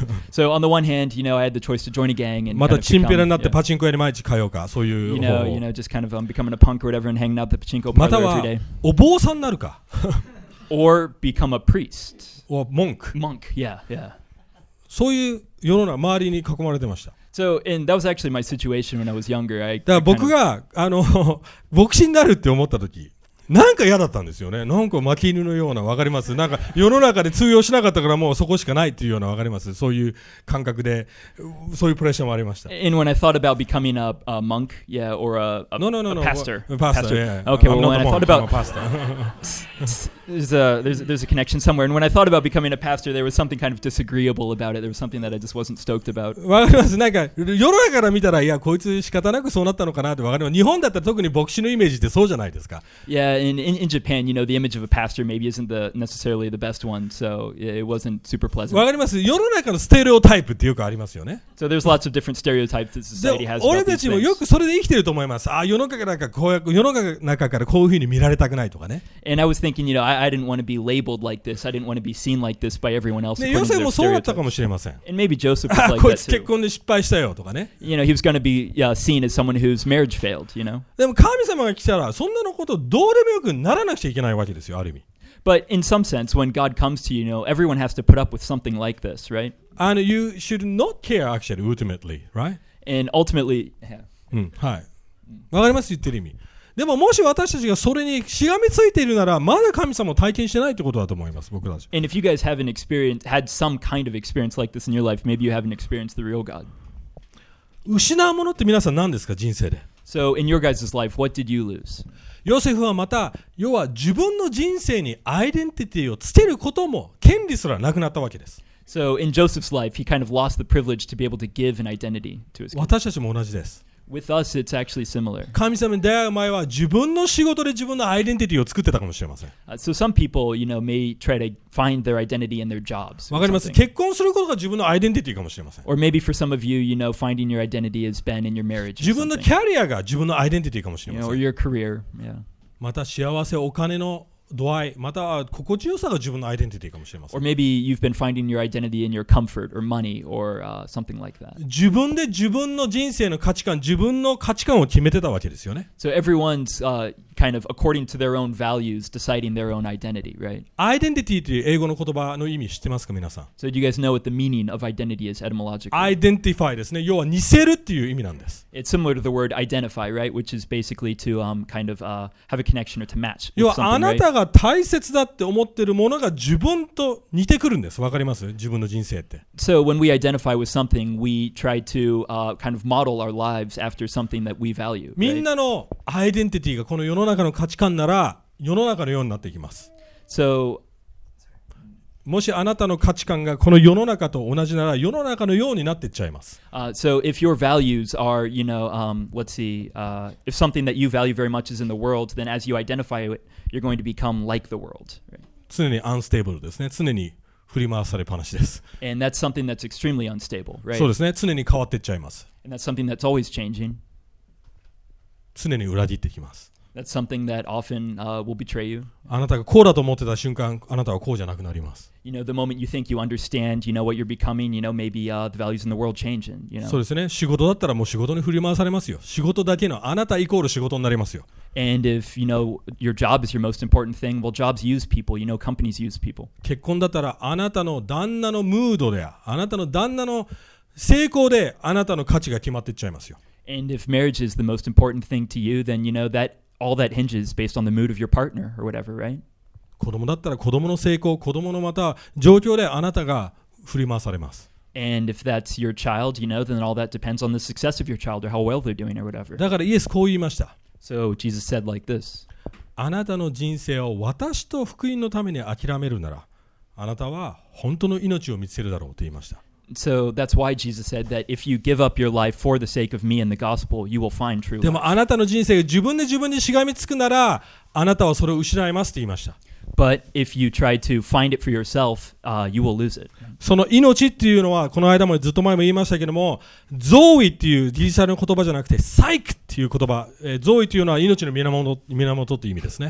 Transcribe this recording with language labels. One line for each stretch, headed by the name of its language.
English: So, on the one hand, you know, I had the choice to join a gang and
Japanese: またチンピラになってパチンコ屋に毎日通うか、そういう方法。
English: You know, just kind of becoming a punk or whatever and hanging out the pachinko parlor every day.
Japanese: またはお坊さんになるか。
English: Or become a priest. Or monk. Monk, yeah, yeah.
Japanese: そういう世の中周りに囲まれてました。
English: So, and that was actually my situation when I was younger.
Japanese: だから僕が牧師になるって思った時、なんか嫌だったんですよね。なんか巻き犬のような、わかります。なんか世の中で通用しなかったからもうそこしかないっていうような、わかります。そういう感覚で、そういうプレッシャーもありました。
English: And when I thought about becoming a monk, yeah, or a no, no, no, no, pastor. Pastor, yeah. Okay, well, when I thought about... I'm a pastor. there's a connection somewhere. And when I thought about becoming a pastor, there was something kind of disagreeable about it. There was something that I just wasn't stoked about.
Japanese: わかります。なんか世の中から見たら、いや、こいつ仕方なくそうなったのかなってわかります。日本だったら特に牧師のイメージってそうじゃないですか。
English: Yeah. In Japan, you know, the image of a pastor maybe isn't necessarily the best one, so it wasn't super pleasant.
Japanese: わかります。世の中のステレオタイプってよくありますよね。
English: So there's lots of different stereotypes that society has about these things.
Japanese: 俺たちもよくそれで生きてると思います。あ、世の中からこういうふうに見られたくないとかね。
English: And I was thinking, you know, I didn't want to be labeled like this. I didn't want to be seen like this by everyone else according to their stereotypes.
Japanese: ヨセフもそうだったかもしれません。
English: And maybe Joseph was like that too.
Japanese: あ、こいつ結婚で失敗したよとかね。
English: You know, he was going to be seen as someone whose marriage failed, you know.
Japanese: でも神様が来たらそんなのことどうでもよくならなくちゃいけないわけですよ、ある意味。
English: But in some sense, when God comes to you, you know, everyone has to put up with something like this, right? And you should not care, actually, ultimately, right? And ultimately, yeah.
Japanese: わかります、言ってる意味。でももし私たちがそれにしがみついているなら、まだ神様を体験してないということだと思います、僕たち。
English: And if you guys have an experience, had some kind of experience like this in your life, maybe you haven't experienced the real God.
Japanese: 失うものって皆さん何ですか、人生で。
English: So in your guys' life, what did you lose?
Japanese: ヨセフはまた、要は自分の人生にアイデンティティをつけることも権利すらなくなったわけです。
English: So in Joseph's life, he kind of lost the privilege to be able to give an identity to his kids.
Japanese: 私たちも同じです。
English: With us, it's actually similar.
Japanese: 神様に出会う前は自分の仕事で自分のアイデンティティを作ってたかもしれません。
English: So some people, you know, may try to find their identity in their jobs.
Japanese: わかります。結婚することが自分のアイデンティティかもしれません。
English: Or maybe for some of you, you know, finding your identity has been in your marriage.
Japanese: 自分のキャリアが自分のアイデンティティかもしれません。
English: You know, or your career, yeah.
Japanese: また幸せ、お金の度合い、また心地よさが自分のアイデンティティかもしれません。
English: Or maybe you've been finding your identity in your comfort or money or something like that.
Japanese: 自分で自分の人生の価値観、自分の価値観を決めてたわけですよね。
English: So everyone's kind of according to their own values, deciding their own identity, right?
Japanese: アイデンティティという英語の言葉の意味知ってますか、皆さん。
English: So do you guys know what the meaning of identity is etymologically?
Japanese: Identify ですね。要は似せるっていう意味なんです。
English: It's similar to the word identify, right? Which is basically to kind of have a connection or to match.
Japanese: 要はあなたが大切だって思ってるものが自分と似てくるんです。わかります？自分の人生って。
English: So when we identify with something, we try to kind of model our lives after something that we value.
Japanese: みんなのアイデンティティがこの世の中の価値観なら世の中のようになっていきます。
English: So,
Japanese: もしあなたの価値観がこの世の中と同じなら世の中のようになっていっちゃいます。
English: So if your values are, you know, let's see, if something that you value very much is in the world, then as you identify it, you're going to become like the world. Right?
Japanese: 常にアンステーブルですね。常に振り回されっぱなしです。
English: And that's something that's extremely unstable, right?
Japanese: そうですね。常に変わっていっちゃいます。
English: And that's something that's always changing.
Japanese: 常に裏切ってきます。
English: That's something that often will betray you.
Japanese: あなたがこうだと思ってた瞬間、あなたはこうじゃなくなります。
English: You know, the moment you think you understand, you know what you're becoming, you know, maybe the values in the world change. And, you know.
Japanese: そうですね。仕事だったらもう仕事に振り回されますよ。仕事だけのあなたイコール仕事になりますよ。
English: And if you know your job is your most important thing, well, jobs use people. You know, companies use people.
Japanese: 結婚だったらあなたの旦那のムードで、あなたの旦那の成功であなたの価値が決まっていっちゃいますよ。
English: And if marriage is the most important thing to you, then you know that all that hinges based on the mood of your partner or whatever, right?
Japanese: 子供だったら子供の成功、子供のまた状況であなたが振り回されます。
English: And if that's your child, you know, then all that depends on the success of your child or how well they're doing or whatever.
Japanese: だからイエスこう言いました。
English: So Jesus said like this.
Japanese: あなたの人生を私と福音のために諦めるなら、あなたは本当の命を見つけるだろうと言いました。
English: So that's why Jesus said that if you give up your life for the sake of me and the gospel, you will find true life.
Japanese: でもあなたの人生が自分で自分にしがみつくなら、あなたはそれを失いますと言いました。
English: But if you try to find it for yourself, you will lose it.
Japanese: その命っていうのは、この間もずっと前も言いましたけども、ゾーイっていうギリシャの言葉じゃなくて、サイクっていう言葉、ゾーイっていうのは命の源という意味ですね。